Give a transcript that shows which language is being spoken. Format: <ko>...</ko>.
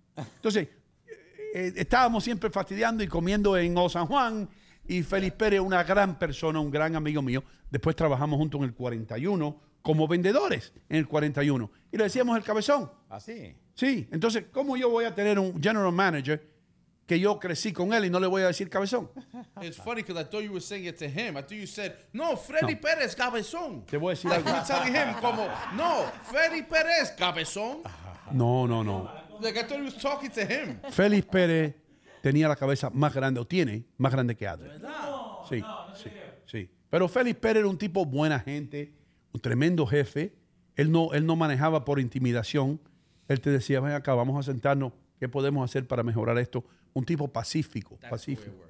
<es>Entonces, estábamos siempre fastidiando y comiendo en O San Juan, y Félix Pérez, una gran persona, un gran amigo mío. Después trabajamos juntos en el 41 como vendedores en el 41. Y le decíamos el cabezón. ¿Ah, sí? Sí. Entonces, ¿cómo yo voy a tener un general manager que yo crecí con él y no le voy a decir cabezón?</es> <en>It's funny because I thought you were saying it to him. I thought you said, no, Freddy no.</en> <es>Pérez, cabezón. Te voy a decir algo.</es> <en>I'm telling him,</en> <es>como, no, Freddy Pérez, cabezón. No, no, no.</es> <en>Like, I thought you were talking to him.</en> <es>Félix Pérez tenía la cabeza más grande, o tiene, más grande que Adler. ¿Verdad? Sí, no, sí, sí. Pero Félix Pérez era un tipo buena gente, un tremendo jefe. Él no manejaba por intimidación. Él te decía, ven acá, vamos a sentarnos. ¿Qué podemos hacer para mejorar esto? Un tipo pacífico, pacífico.</es>